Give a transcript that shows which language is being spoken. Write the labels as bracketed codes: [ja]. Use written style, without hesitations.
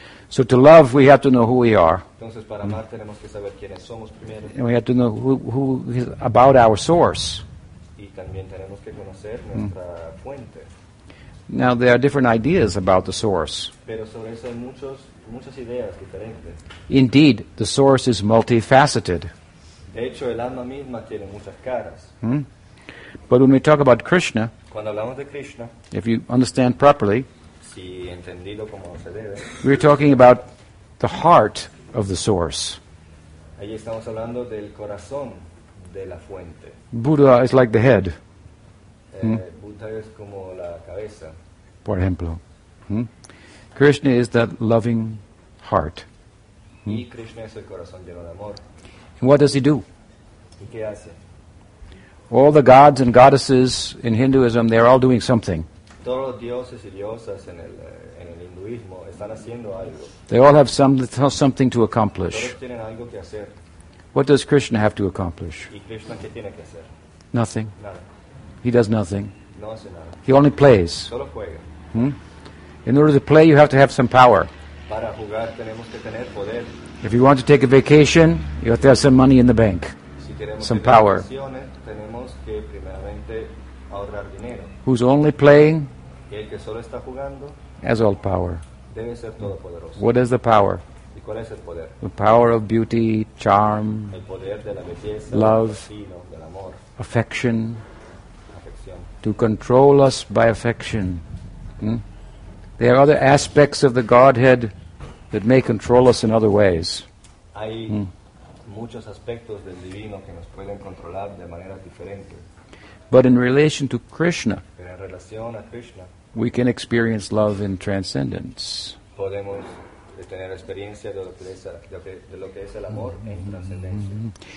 [en] So to love, we have to know who we are. [es] Entonces, para amar, tenemos que saber quiénes somos primero. [en] And we have to know who is about our source. [es] Y también tenemos que conocer nuestra fuente. [en] Now, there are different ideas about the source. [es] Pero sobre eso hay muchas ideas diferentes. [en] Indeed, the source is multifaceted. [es] De hecho, el alma misma tiene muchas caras. [en] Hmm? But when we talk about Krishna, [es] cuando hablamos de Krishna, [en] if you understand properly, [es] si entendido como se debe, [en] we're talking about the heart of the source. [es] Ahí estamos hablando del corazón de la fuente. [en] Buddha is like the head. [es] Buddha es como la cabeza. Por ejemplo. [en] Hmm? Krishna is that loving heart. Hmm? [es] Y Krishna es el corazón lleno de amor. [en] And what does he do? [es] ¿Y qué hace? [en] All the gods and goddesses in Hinduism, they're all doing something. [es] Todos los dioses y diosas en el hinduismo están haciendo algo. [en] They all have something to accomplish. [es] Todos tienen algo que hacer. [en] What does Krishna have to accomplish? [es] ¿Y Krishna qué tiene que hacer? [en] Nothing. [es] Nada. [en] He does nothing. [es] No hace nada. [en] He only plays. [es] Solo juega. Hmm? [en] In order to play, you have to have some power. [es] Para jugar, tenemos que tener poder. [en] If you want to take a vacation, you have to have some money in the bank. [es] Si queremos [en] some power. [es] Tenemos que primeramente ahorrar dinero. [en] Who's only playing? [es] El que solo está jugando, [en] has all power. [es] Debe ser todopoderoso. [en] What is the power? [es] ¿Y cuál es el poder? [en] The power of beauty, charm, [es] el poder de la belleza, [en] love, [es] del vecino, del amor, [en] affection. [es] Afección. [en] To control us by affection. Hmm? There are other aspects of the Godhead that may control us in other ways. [es] Hay muchos aspectos del divino que nos pueden controlar de maneras diferentes. [en] But in relation to Krishna, [es] pero en relación a Krishna, [en] we can experience love in transcendence. [es] Podemos tener experiencia de lo que es el amor en transcendencia.